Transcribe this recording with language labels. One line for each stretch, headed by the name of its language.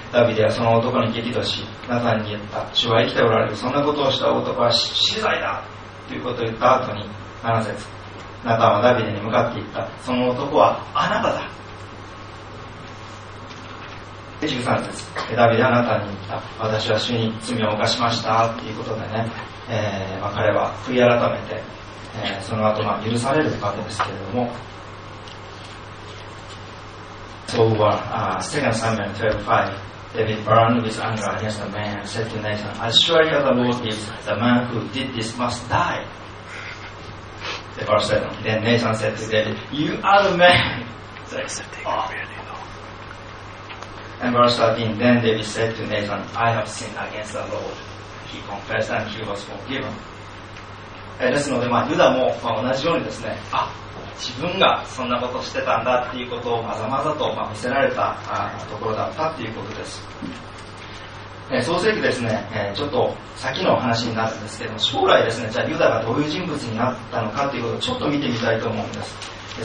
Japanese: ダビデはその男に激怒し、ナタンに言った、主は生きておられる、そんなことをした男は死罪だということを言った後に、7節、ナタンはダビデに向かって言った、その男はあなただ。 13節、ダビデはナタンに言った、私は主に罪を犯しましたということでね、彼は悔い改めて、その後まあ許されるわけですけれども。
English: So Second Samuel 12:5, David burned with anger against the man and said to Nathan, as surely as the Lord lives, the man who did this must die. Verse 7, then Nathan said to David, you are the man. And verse 13, then David said to Nathan, I have sinned against the Lord. He confessed and he was forgiven.
Japanese: ですので、ユダも、同じようにですね、あ、自分がそんなことしてたんだっていうことをまざまざと、見せられた、ところだったっていうことです。創世記ですね、ちょっと先の話になるんですけども、将来ですね、じゃあユダがどういう人物になったのかっていうことをちょっと見てみたいと思うんです。